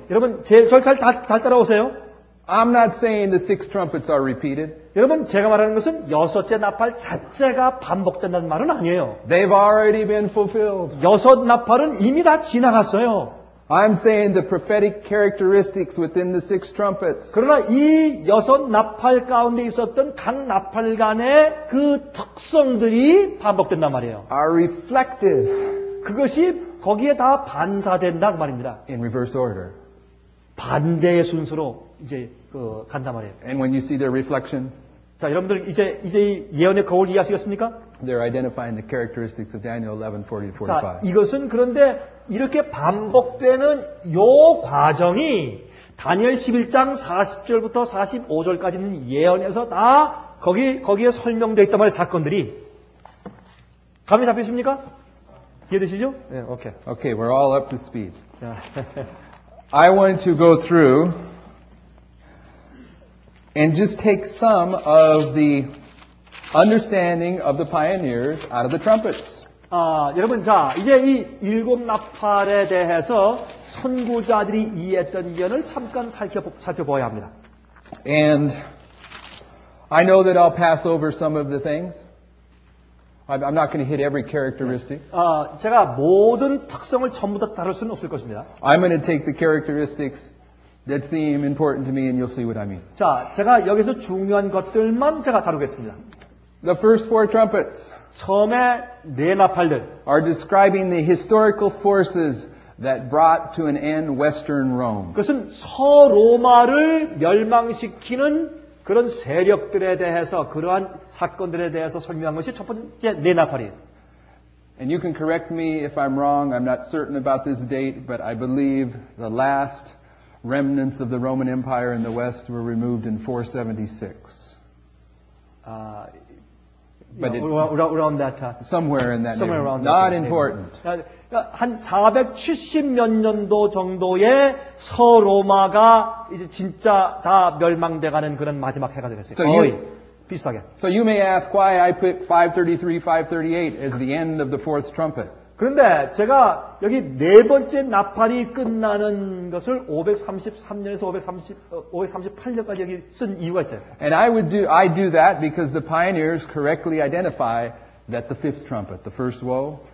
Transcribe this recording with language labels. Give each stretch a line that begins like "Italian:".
Korean: 여러분 제 절차를 잘 따라오세요.
English: I'm not saying the six trumpets are repeated.
Korean: 여러분 제가 말하는 것은 여섯째 나팔 자체가 반복된다는 말은 아니에요.
English: They've already been fulfilled.
Korean: 여섯 나팔은 이미 다 지나갔어요.
English: I'm saying the prophetic characteristics within the six trumpets.
Korean: 그러나 이 여섯 나팔 가운데 있었던 각 나팔 간의 그 특성들이 반복된단 말이에요.
English: Are reflected.
Korean: 그것이 거기에 다 반사된다는 말입니다.
English: In reverse order.
Korean: 반대의 순서로 이제 간단 말이에요.
English: And when you see their reflection,
Korean: 자 여러분들 이제 예언의 거울 이해하시겠습니까?
English: They're identifying the characteristics of Daniel 11:40-45.
Korean: 자 이것은 그런데 이렇게 반복되는 요 과정이 다니엘 11장 40절부터 45절까지는 예언에서 다 거기에 설명되어 있단 말이에요. 사건들이 감이 잡히십니까? 이해되시죠? 네, 오케이.
English: Okay, we're all up to speed. I want to go through and just take some of the understanding of the pioneers out of the trumpets.
Korean: 아, 여러분, 자, 이제 이 일곱 나팔에 대해서 선구자들이 이해했던 면을 잠깐 살펴보아야 합니다.
English: And I know that I'll pass over some of the things. I'm not going to hit every characteristic.
Korean: 아, 제가 모든 특성을 전부 다 다룰 수는 없을 것입니다.
English: I'm going to take the characteristics that seem important to me and you'll see what I mean.
Korean: 자, 제가 여기서 중요한 것들만 제가 다루겠습니다.
English: The first four trumpets.
Korean: 처음에 네 나팔들
English: are describing the historical forces that brought to an end Western Rome.
Korean: 그것은 서로마를 멸망시키는 그런 세력들에 대해서 그러한 사건들에 대해서 설명한 것이 첫 번째 네 나팔이에요.
English: And you can correct me if I'm wrong. I'm not certain about this date, but I believe the last remnants of the Roman Empire in the West were removed in 476. But yeah, around that time. Somewhere in that time. Not important.
Korean: 한 470몇 년도 정도에 서로마가 이제 진짜 다 멸망돼가는 그런 마지막 해가 되었어요. 거의 비슷하게.
English: So you may ask why I put 533-538 as the end of the fourth trumpet.
Korean: 그런데 제가 여기 네 번째 나팔이 끝나는 것을 533년에서 538년까지 여기 쓴 이유가 있어요.
English: And I do that because the pioneers correctly identify that the fifth trumpet, the first woe.